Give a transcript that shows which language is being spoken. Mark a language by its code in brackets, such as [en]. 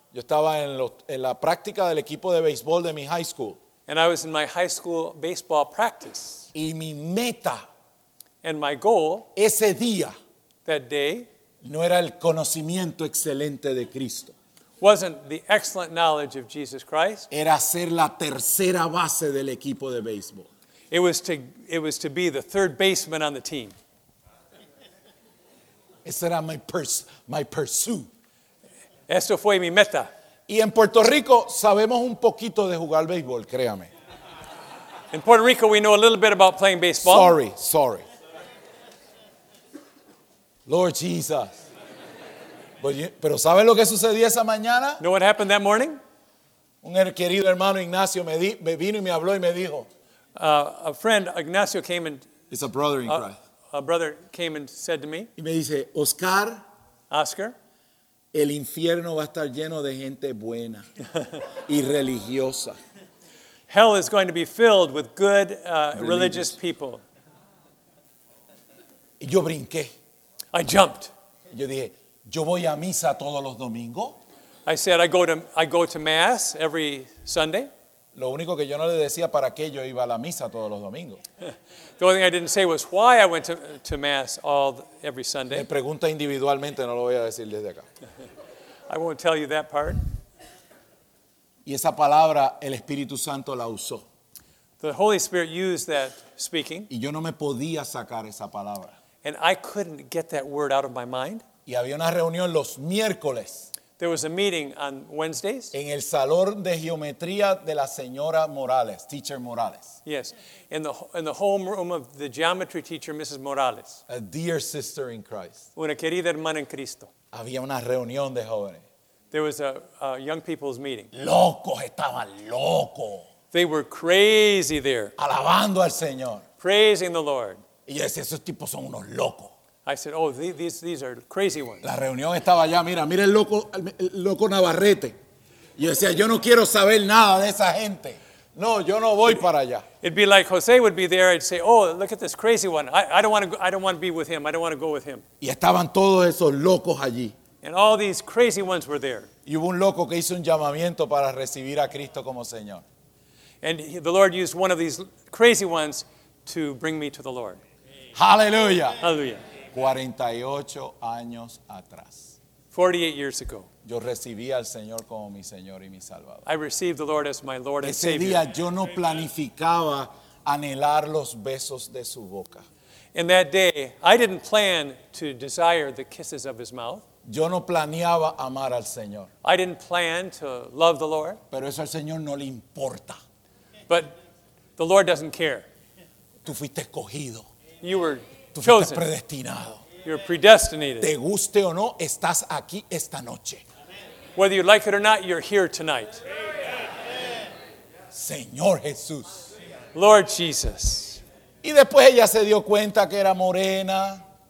[es] Yo estaba en la práctica del equipo de béisbol de mi high school. [en] And I was in my high school baseball practice. [es] Y mi meta, [en] and my goal, [es] ese día, [en] that day, [es] no era el conocimiento excelente de Cristo. [en] Wasn't the excellent knowledge of Jesus Christ. [es] Era ser la tercera base del equipo de béisbol. [en] It was to be the third baseman on the team. [es] Ese era [en] my pursuit. [es] Esto fue mi meta. Y en Puerto Rico sabemos un poquito de jugar béisbol, créame. [en] In Puerto Rico we know a little bit about playing baseball. Sorry. Lord Jesus. [es] Pero ¿sabes lo que sucedió esa mañana? [en] Know what happened that morning? [es] Un querido hermano Ignacio me vino y me habló y me dijo. [en] A friend Ignacio came and it's a brother in Christ. A brother came and said to me. [es] Y me dice, Oscar, el infierno va a estar lleno de gente buena y religiosa. [en] Hell is going to be filled with good religious people. [es] Y yo brinqué. [en] I jumped. [es] Yo dije, yo voy a misa todos los domingos. [en] I said I go to mass every Sunday. [es] Lo único que yo no le decía para qué yo iba a la misa todos los domingos. [en] The only thing I didn't say was why I went to mass every Sunday. [es] Me pregunta individualmente, no lo voy a decir desde acá. [en] I won't tell you that part. [es] Y esa palabra el Espíritu Santo la usó. [en] The Holy Spirit used that speaking. [es] Y yo no me podía sacar esa palabra. [en] And I couldn't get that word out of my mind. [es] Y había una reunión los miércoles. [en] There was a meeting on Wednesdays. [es] En el salón de geometría de la señora Morales, teacher Morales. [en] Yes, in the homeroom of the geometry teacher, Mrs. Morales. A dear sister in Christ. [es] Una querida hermana en Cristo. Había una reunión de jóvenes. [en] There was a young people's meeting. [es] Locos, estaban locos. [en] They were crazy there. [es] Alabando al Señor. [en] Praising the Lord. [es] Y yo decía, esos tipos son unos locos. [en] I said, oh, these are crazy ones. [es] La reunión estaba allá, mira el loco Navarrete. Y yo decía, yo no quiero saber nada de esa gente. No, yo no voy para allá. [en] It'd be like Jose would be there. I'd say, oh, look at this crazy one. I don't want to be with him. I don't want to go with him. [es] Y estaban todos esos locos allí. [en] And all these crazy ones were there. [es] Y hubo un loco que hizo un llamamiento para recibir a Cristo como Señor. [en] And the Lord used one of these crazy ones to bring me to the Lord. Hallelujah. Hallelujah. [es] 48 años atrás. [en] 48 years ago. [es] Yo recibí al Señor como mi Señor y mi Salvador. [en] I received the Lord as my Lord [es] ese [en] and Savior. [es] Ese día yo no planificaba anhelar los besos de su boca. [en] In that day, I didn't plan to desire the kisses of his mouth. [es] Yo no planeaba amar al Señor. [en] I didn't plan to love the Lord. [es] Pero eso al Señor no le importa. [en] But the Lord doesn't care. [es] Tú fuiste escogido. [en] You were [es] tú [en] chosen. [es] Tú fuiste predestinado. [en] You're predestinated. [es] Te guste o no, estás aquí esta noche. [en] Whether you like it or not, you're here tonight. [es] Señor Jesús. [en] Lord Jesus. [es] Y después ella se dio cuenta que era morena.